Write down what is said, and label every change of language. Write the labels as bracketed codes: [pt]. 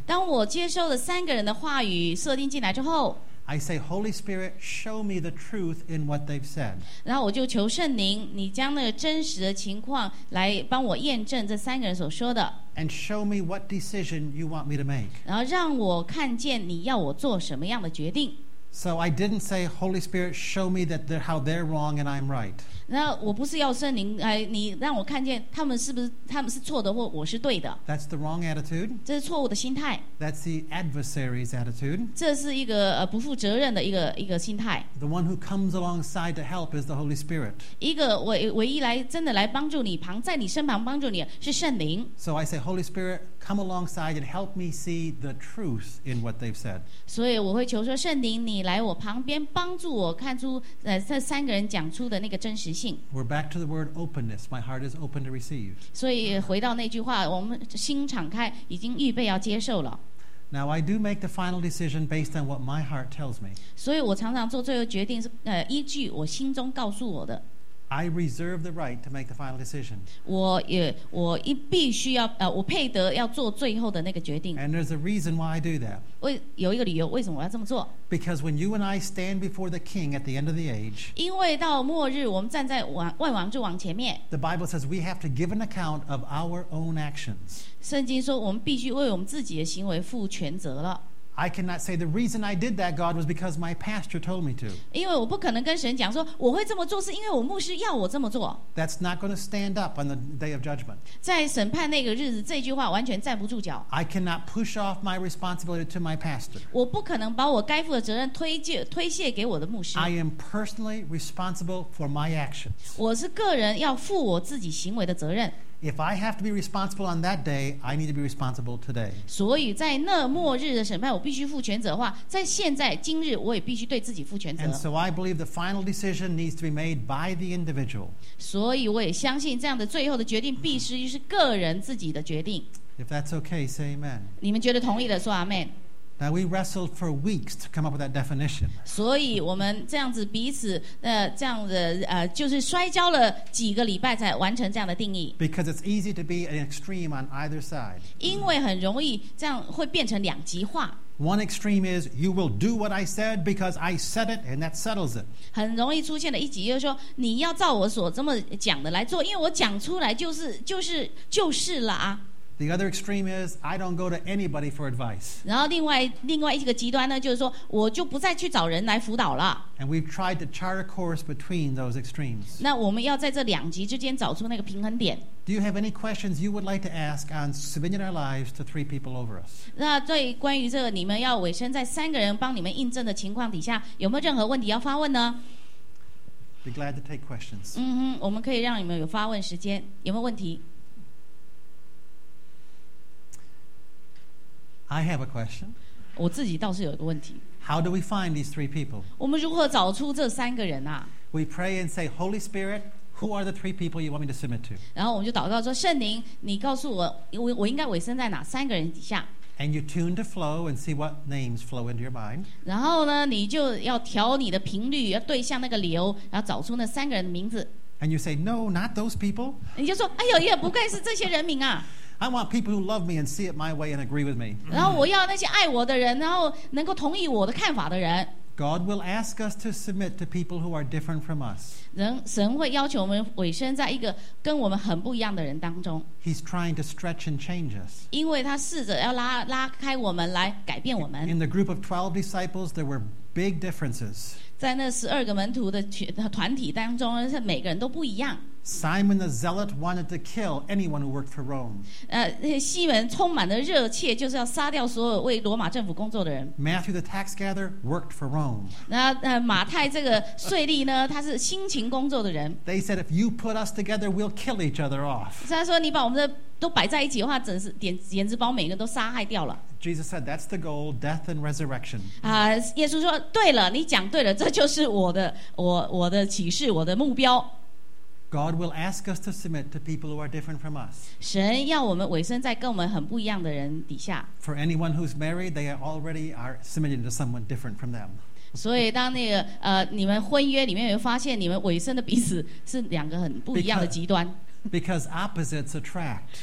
[zh] 当我接收了三个人的话语设定进来之后， [en] I say, Holy Spirit, show me the truth in what they've said. [zh] 然后我就求圣灵，你将那个真实的情况来帮我验证这三个人所说的。 [en] And show me what decision you want me to make. [zh] 然后让我看见你要我做什么样的决定。 [en] So I didn't say, Holy Spirit, show me that how they're wrong and I'm right. [zh] 那我不是要圣灵，你让我看见他们是错的，或我是对的。 [en] That's the wrong attitude. [zh] 这是错误的心态。 [en] That's the adversary's attitude. [zh] 这是一个不负责任的一个心态。 [en] The one who comes alongside to help is the Holy Spirit. [zh] 一个唯一来真的来帮助你，旁在你身旁帮助你是圣灵。 [en] So I say, Holy Spirit, come alongside and help me see the truth in what they've said. [zh] 所以我会求说圣灵。你来我旁边帮助我看出这三个人讲出的那个真实性。 [en] We're back to the word openness. My heart is open to receive. [zh] 所以回到那句话，我们心敞开，已经预备要接受了。 [en] Now I do make the final decision based on what my heart tells me. [zh] 所以我常常做最后决定是依据我心中告诉我的。 [en] I reserve the right to make the final decision. [zh] 我必须要我配得要做最后的那个决定。 [en] And there's a reason why I do that. [zh] 有一个理由为什么我要这么做。 [en] Because when you and I stand before the king at the end of the age, [zh] 因为到末日我们站在万王之王前面， [en] the Bible says we have to give an account of our own actions. [zh] 圣经说我们必须为我们自己的行为负全责了。 [en] I cannot say the reason I did that, God, was because my pastor told me to. [zh] 因为我不可能跟神讲说我会这么做是因为我牧师要我这么做。 [en] That's not going to stand up on the day of judgment. [zh] 在审判那个日子，这句话完全站不住脚。 [en] I cannot push off my responsibility to my pastor. [zh] 我不可能把我该负的责任推卸给我的牧师。 [en] I am personally responsible for my actions. [zh] 我是个人要负我自己行为的责任。 [en] If I have to be responsible on that day, I need to be responsible today. [zh] 所以在那末日的审判，我必须负全责的话，在现在今日，我也必须对自己负全责。 [en] And so I believe the final decision needs to be made by the individual. [zh] 所以我也相信这样的最后的决定必须是个人自己的决定。 [en] If that's okay, say amen. [zh] 你们觉得同意的说 amen。 [en] Now we wrestled for weeks to come up with that definition. [zh] 所以我们这样子彼此这样子就是摔跤了几个礼拜才完成这样的定义。 [en] Because it's easy to be an extreme on either side. [zh] 因为很容易这样会变成两极化。 [en] One extreme is you will do what I said because I said it and that settles it. [zh] 很容易出现的一极就是说你要照我所这么讲的来做，因为我讲出来就是了啊。 [en] The other extreme is I don't go to anybody for advice. [zh] 然后另外一个极端呢，就是说我就不再去找人来辅导了。 [en] And we've tried to chart a course between those extremes. [zh] 那我们要在这两极之间找出那个平衡点。 [en] Do you have any questions you would like to ask on submitting our lives to three people over us? [zh] 那对关于这个你们要委身在三个人帮你们印证的情况底下，有没有任何问题要发问呢？ [en] Be glad to take questions. [zh] 嗯哼，我们可以让你们有发问时间，有没有问题？ [en] I have a question. [zh] 我自己倒是有一个问题。 [en] How do we find these three people? [zh] 我们如何找出这三个人啊？ [en] We pray and say, Holy Spirit, Who are the three people you want me to submit to? [zh] 然后我们就祷告说，圣灵，你告诉我，我应该委身在哪三个人底下？ [en] And you tune to flow and see what names flow into your mind. [zh] 然后呢，你就要调你的频率，要对向那个流，然后找出那三个人的名字。 [en] And you say, no, not those people. [zh] 你就说，哎呦，也不该是这些人名啊。 [en] I want people who love me and see it my way and agree with me. [zh] 然后我要那些爱我的人，然后能够同意我的看法的人。 [en] God will ask us to submit to people who are different from us. [zh] 神会要求我们委身在一个跟我们很不一样的人当中。 [en] He's trying to stretch and change us. [zh] 因为他试着要拉开我们来改变我们。 [en] In the group of 12 disciples, there were big differences. [zh] 在那12个门徒的团体当中，是每个人都不一样。 [en] Simon the Zealot wanted to kill anyone who worked for Rome. [zh] 西门充满了热切，就是要杀掉所有为罗马政府工作的人。 [en] Matthew the tax gatherer worked for Rome. [zh] 那马太这个税吏呢，他是辛勤工作的人。 [en] They said if you put us together, we'll kill each other off. [zh] 他说你把我们的都摆在一起的话，简直把每个人都杀害掉了。 [en] Jesus said that's the goal, death and resurrection. [zh] 耶稣说对了，你讲对了，这就是我的启示，我的目标。 [en] God will ask us to submit to people who are different from us. [zh] 神要我们委身在跟我们很不一样的人底下。 [en] For anyone who's married, they already are submitting to someone different from them. [zh] 所以当那个你们婚约里面有发现你们委身的彼此是两个很不一样的极端。 [en] Because opposites attract.